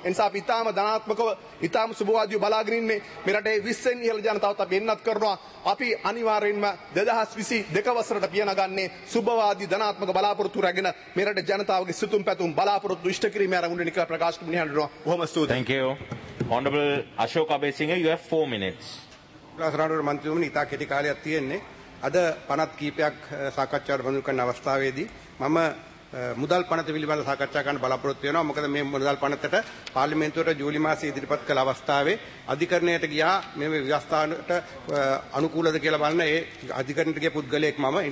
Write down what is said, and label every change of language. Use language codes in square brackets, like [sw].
[si] ඒ නිසා අපි ඉතාම ධනාත්මකව ඉතාම සුබවාදීව බලාගෙන ඉන්නේ. මේ රටේ 20 ඉහළ ජනතාවත් අපි එන්නත් කරනවා. අපි අනිවාර්යයෙන්ම 2022 වසරට පියනගන්නේ සුබවාදී ධනාත්මක බලාපොරොත්තු රැගෙන මේ රටේ ජනතාවගේ සිතුම් පැතුම් බලාපොරොත්තු ඉෂ්ට කිරීමේ අරමුණෙන් කියලා ප්‍රකාශ කරන්න හඳුනනවා. බොහොම ස්තුතියි. [en] Thank you. Honorable Ashok Abesinghe, you have 4 minutes. [si] රාජ්‍ය මන්ත්‍රීතුමනි, ඉතා කෙටි කාලයක් තියෙන්නේ. අද පනත් කීපයක් සාකච්ඡාවට බඳු කරන අවස්ථාවේදී මම මුදල් පනත පිළිබඳව සාකච්ඡා කරන්න බලාපොරොත්තු වෙනවා. මොකද මේ මුදල් පනතට පාර්ලිමේන්තුවට ජූලි මාසයේ ඉදිරිපත් කළ අවස්ථාවේ අධිකරණයට ගියා. මේ ව්‍යවස්ථාවට අනුකූලද කියලා බලන ඒ අධිකරණයට ගිය පුද්ගලයෙක් මම.